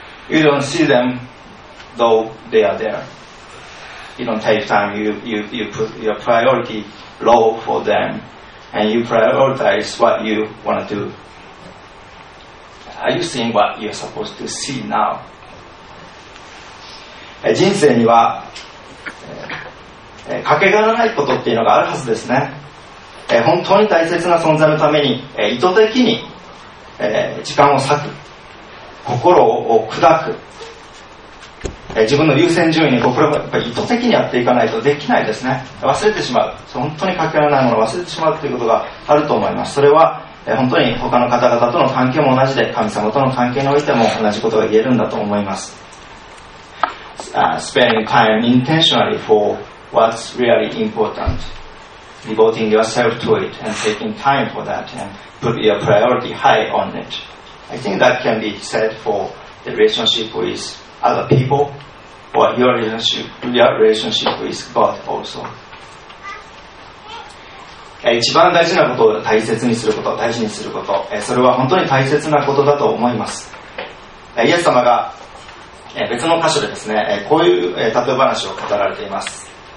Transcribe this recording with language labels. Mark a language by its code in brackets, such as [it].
[en] You don't see them, though they are there. You don't take time, you put your priority low for them, and you prioritize what you want to do. Are you seeing what you're supposed to see now? [ja] 人生にはかけがえのないことっていうのがあるはずですね。本当に大切な存在のために意図的に時間を割く、心を砕く、自分の優先順位にこれをやっぱり意図的にやっていかないとできないですね。忘れてしまう、本当にかけがえのないものを忘れてしまうということがあると思います。それは本当に他の方々との関係も同じで、神様との関係においても同じことが言えるんだと思います。 [en] Spending time intentionally for what's really important, devoting yourself to it and taking time for that and put your priority high on it. I think that can be said for the relationship with other people or your relationship with God also. [ja] 一番大事なことを大切にすること、大事にすること、それは本当に大切なことだと思います。イエス様が別の箇所でですね、こういう例え話を語られています。